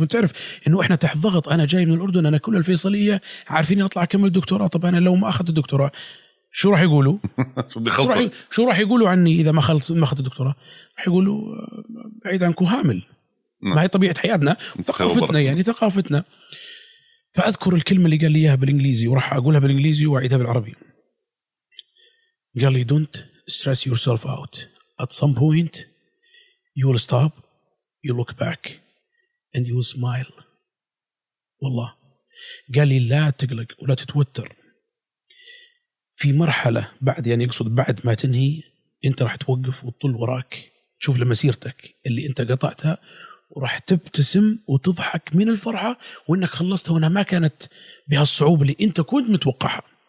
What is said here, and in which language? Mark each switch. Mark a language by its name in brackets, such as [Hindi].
[Arabic] وتعرف إنه إحنا تحت ضغط، أنا جاي من الأردن، أنا كل الفيصلية عارفين أطلع أكمل الدكتوراه، طب أنا لو ما أخذت الدكتوراه شو راح يقولوا؟ شو راح يقولوا عني إذا ما أخذت الدكتوراه؟ راح يقولوا بعيد عنكم هامل. ما هي طبيعة حياتنا ثقافتنا، يعني ثقافتنا. فأذكر الكلمة اللي قال لي إياها بالإنجليزي، وراح أقولها بالإنجليزي وأعيدها بالعربي. قال لي [English] don't stress yourself out. At some point you will stop, you look back and you will smile. [Arabic] والله قال لي لا تقلق ولا تتوتر، في مرحلة بعد، يعني يقصد بعد ما تنهي أنت راح توقف وتطل وراك تشوف لمسيرتك اللي أنت قطعتها، وراح تبتسم وتضحك من الفرحة وإنك خلصت هنا ما كانت بهالصعوبة اللي أنت كنت متوقعها.